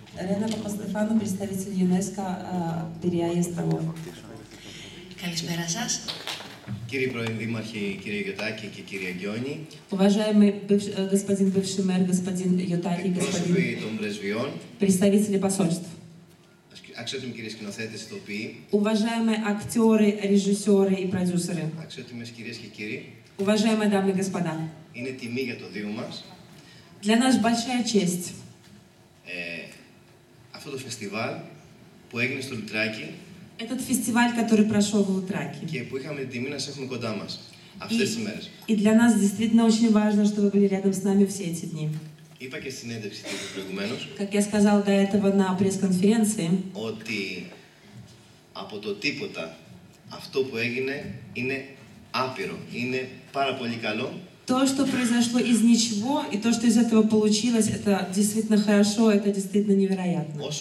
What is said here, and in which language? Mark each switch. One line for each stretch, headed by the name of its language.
Greek: Ρένα Παπαστεφάνου,
Russian: представитель
Greek: ЮНΕΣΚΟ, Πειραιά Ιεστρεμό. Καλησπέρα σας. Κύριε Πρώην Δήμαρχε, κύριε Γιωτάκη και κύριε Αγγιόνη.
Russian: Уважаемый господин бывший мэр, господин Γιωτάκη, господин...
Greek: Εκπρόσωποι των πρεσβειών.
Russian: Представители посольств.
Greek: Αξιότιμοι κύριε σκηνοθέτε, ηθοποιοί.
Russian: Уважаемые актеры, режиссеры и продюсеры.
Greek: Αξιότιμες κυρίες και κύριοι.
Russian: Уважаемые дамы и господа.
Greek: Είναι τιμή για το Δήμο μας.
Russian: Для нас большая честь.
Greek: Αυτό το φεστιβάλ που έγινε στο Λουτράκι.
Russian: Этот фестиваль, который прошел в Лутраке.
Greek: Και που είχαμε την τιμή να σε έχουμε κοντά μας αυτές τις μέρες.
Russian: И для нас действительно очень важно, что вы были рядом с нами все эти дни.
Greek: Είπα και στην συνέντευξη του προηγουμένως.
Russian: Как я сказал до этого на пресс-конференции.
Greek: Ότι από το τίποτα αυτό που έγινε είναι άπειρο, είναι πάρα πολύ καλό.
Russian: То, что произошло из ничего, и то, что из этого получилось, это действительно хорошо, это действительно невероятно.